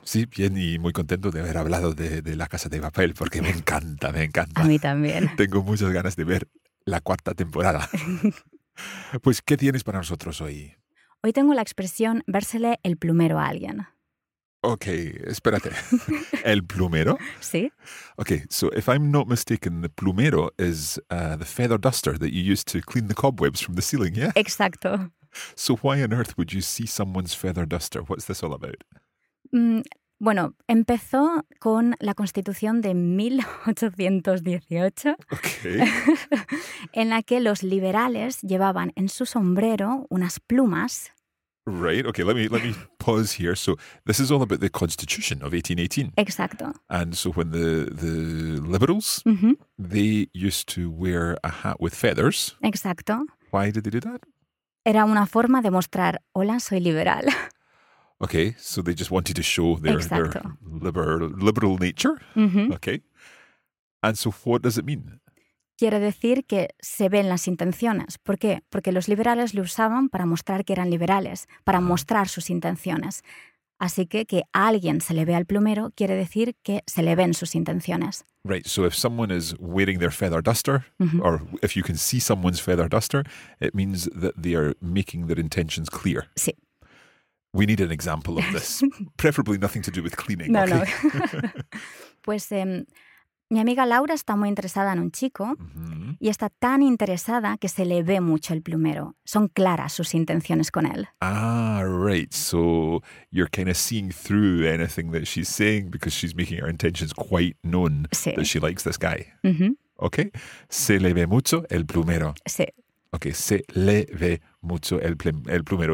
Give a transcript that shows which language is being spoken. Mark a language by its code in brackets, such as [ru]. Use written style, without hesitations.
[es] Sí, bien y muy contento de haber hablado de La Casa de Papel porque me encanta, me encanta. A mí también. Tengo muchas ganas de ver la cuarta temporada. Pues, ¿qué tienes para nosotros hoy? Hoy tengo la expresión vérsele el plumero a alguien. Ok, espérate. ¿El plumero? Sí. [en] Ok, so if I'm not mistaken, the plumero is the feather duster that you use to clean the cobwebs from the ceiling, yeah? [es] Exacto. [en] So why on earth would you see someone's feather duster? What's this all about? [es] Bueno, empezó con la Constitución de 1818, [en] okay. [es] En la que los liberales llevaban en su sombrero unas plumas. [en] Right, okay, let me pause here. So this is all about the Constitution of 1818. [es] Exacto. [en] And so when the liberals, mm-hmm. they used to wear a hat with feathers. [es] Exacto. [en] Why did they do that? [es] Era una forma de mostrar, hola, soy liberal. [en] Okay, so they just wanted to show their liberal nature. Mm-hmm. Okay. And so what does it mean? [es] Quiere decir que se ven las intenciones. ¿Por qué? Porque los liberales lo usaban para mostrar que eran liberales, para mostrar sus intenciones. Así que a alguien se le ve al plumero quiere decir que se le ven sus intenciones. [en] Right, so if someone is wearing their feather duster, mm-hmm. or if you can see someone's feather duster, it means that they are making their intentions clear. [es] Sí. [en] We need an example of this. Preferably nothing to do with cleaning. [es] No, [en] okay? [es] No. Pues mi amiga Laura está muy interesada en un chico mm-hmm. y está tan interesada que se le ve mucho el plumero. Son claras sus intenciones con él. [en] Ah, right. So you're kind of seeing through anything that she's saying because she's making her intentions quite known [es] sí. [en] that she likes this guy. Mm-hmm. [es] Okay. Se le ve mucho el plumero. Sí. Okay, se le ve mucho el plumero.